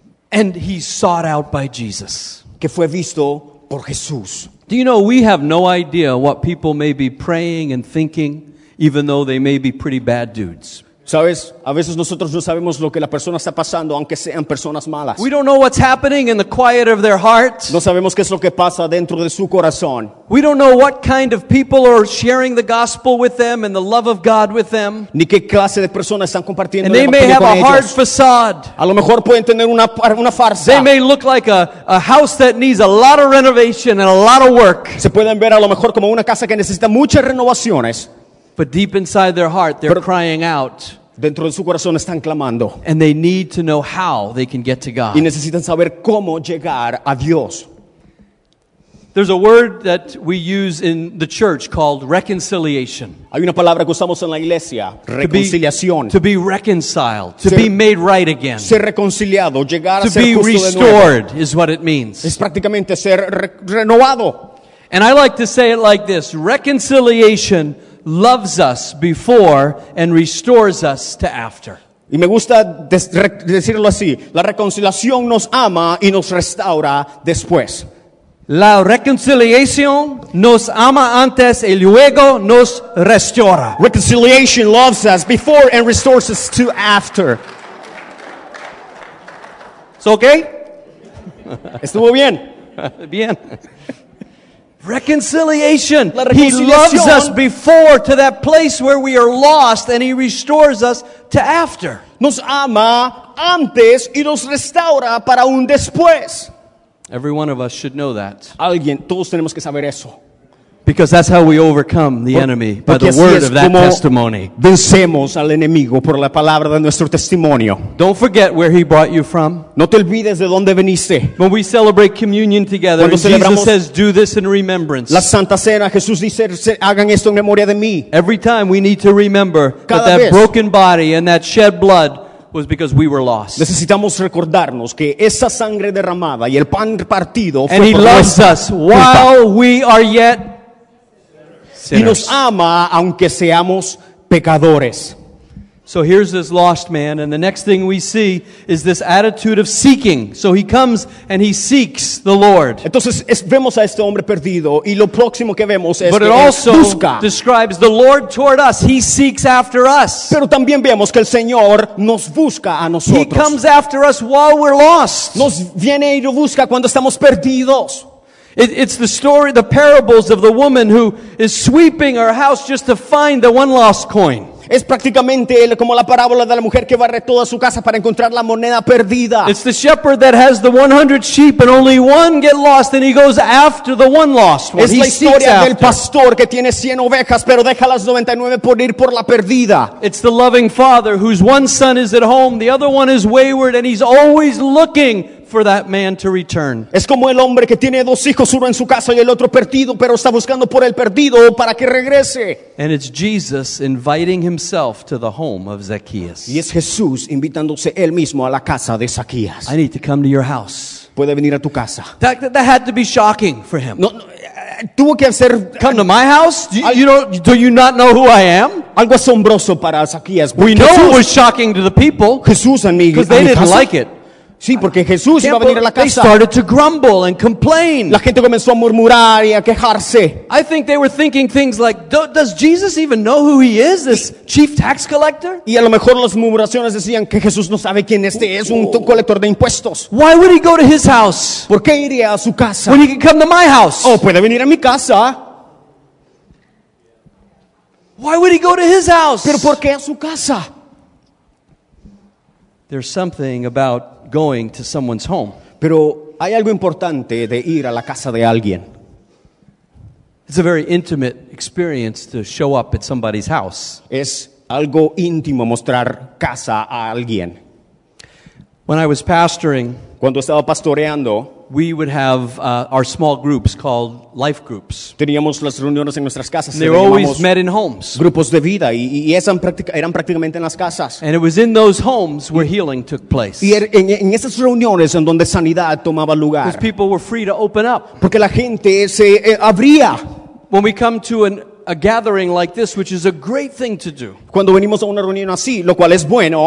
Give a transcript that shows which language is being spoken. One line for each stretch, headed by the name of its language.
English: And he's sought out by Jesus.
Spanish: Que fue visto por Jesús.
English: Do you know, we have no idea what people may be praying and thinking, even though they may be pretty bad dudes.
Spanish: ¿Sabes? A veces nosotros no sabemos lo que la persona está pasando, aunque sean personas malas.
English: We don't know what's happening in the quiet of their heart.
Spanish: No sabemos qué es lo que pasa dentro de su corazón.
English: We don't know what kind of people are sharing the gospel with them and the love of God with them.
Spanish: Ni qué clase de personas están compartiendo el evangelio con ellos.
English: And they may have a hard facade.
Spanish: A lo mejor pueden tener una farsa.
English: They may look like a house that needs a lot of renovation and a lot of work.
Spanish: Se pueden ver a lo mejor como una casa que necesita muchas renovaciones.
English: But deep inside their heart, they're crying out.
Spanish: Dentro de su corazón están clamando.
English: And they need to know how they can get to God.
Spanish: Y necesitan saber cómo llegar a Dios.
English: There's a word that we use in the church called reconciliation.
Spanish: Hay una palabra que usamos en la iglesia, reconciliación.
English: To be reconciled, to be made right again.
Spanish: Ser reconciliado, llegar a ser justo de nuevo.
English: To be restored is what it means.
Spanish: Es prácticamente ser renovado.
English: And I like to say it like this, reconciliation loves us before and restores us to after.
Spanish: Y me gusta decirlo así, la reconciliación nos ama y nos restaura después. La reconciliación nos ama antes y luego nos restaura.
English: Reconciliation loves us before and restores us to after.
Spanish: ¿Es okay? Estuvo bien. Bien.
English: Reconciliation.
Spanish: La reconciliación.
English: He loves us before to that place where we are lost, and he restores us to after.
Spanish: Nos ama antes y nos restaura para un después.
English: Every one of us should know that.
Spanish: Alguien, todos tenemos que saber eso.
English: Because that's how we overcome the enemy by the word of that testimony.
Spanish: Vencemos al enemigo por la palabra de nuestro testimonio.
English: Don't forget where he brought you from.
Spanish: No te olvides de dónde viniste.
English: When we celebrate communion together, Jesus says, "Do this in remembrance."
Spanish: La Santa Cena, Jesús dice, hagan esto en memoria de mí.
English: Every time we need to remember that that broken body and that shed blood was because we were lost.
Spanish: Necesitamos recordarnos que esa sangre derramada y el pan partido fue
English: and he loves us while we are yet sinners.
Spanish: Y nos ama aunque seamos pecadores.
English: So here's this lost man, and the next thing we see is this attitude of seeking. So he comes and he seeks the Lord.
Spanish: Entonces vemos a este hombre perdido, y lo próximo que vemos es
English: but
Spanish: que
English: it also
Spanish: busca.
English: Describes the Lord toward us. He seeks after us.
Spanish: Pero también vemos que el Señor nos busca a nosotros.
English: He comes after us while we're lost.
Spanish: Nos viene y nos busca cuando estamos perdidos.
English: It's the story, the parables of the woman who is sweeping her house just to find the one lost coin.
Spanish: Es prácticamente como la parábola de la mujer que barre toda su casa para encontrar la moneda perdida.
English: It's the shepherd that has the 100 sheep and only one get lost and he goes after the one lost one.
Spanish: Es la historia del pastor que tiene 100 ovejas pero deja las 99 por ir por la perdida.
English: It's the loving father whose one son is at home, the other one is wayward and he's always looking for that man to return.
Spanish: Es como el hombre que tiene dos hijos, uno en su casa y el otro perdido, pero está buscando por el perdido para que regrese.
English: And it's Jesus inviting himself to the home of Zacchaeus.
Spanish: Y es Jesús invitándose él mismo a la casa de Zacchaeus.
English: I need to come to your house.
Spanish: Puede venir a tu casa.
English: That had to be shocking for him.
Spanish: No, tuvo que hacer,
English: come to my house? Do you not know who I am?
Spanish: Algo asombroso para Zacchaeus.
English: We know it was shocking to the people. Jesús and me, because they didn't like it.
Spanish: Sí, porque Jesús iba a venir a la casa.
English: They started to grumble and complain.
Spanish: La gente comenzó a murmurar y a quejarse.
English: I think they were thinking things like, does Jesus even know who he is, this chief tax collector?
Spanish: Y a lo mejor las murmuraciones decían que Jesús no sabe quién este es, un colector de impuestos.
English: Why would he go to his house?
Spanish: ¿Por qué iría a su casa?
English: When he can come to my house.
Spanish: Oh, puede venir a mi casa.
English: Why would he go to his house?
Spanish: Pero ¿por qué a su casa?
English: There's something about going to someone's home.
Spanish: Pero hay algo importante de ir a la casa de alguien.
English: It's a very intimate experience to show up at somebody's house.
Spanish: Es algo íntimo mostrar casa a alguien.
English: When I was pastoring,
Spanish: cuando estaba pastoreando,
English: we would have our small groups called life groups.
Spanish: Teníamos las reuniones en nuestras casas.
English: They always met in homes.
Spanish: Grupos de vida y esas eran prácticamente en las casas.
English: And it was in those homes where healing took place.
Spanish: Y en esas reuniones en donde sanidad tomaba lugar.
English: Because people were free to open up.
Spanish: Porque la gente se abría.
English: When we come to an a gathering like this, which is a great thing to do.
Spanish: Cuando venimos a una reunión así, lo cual es bueno.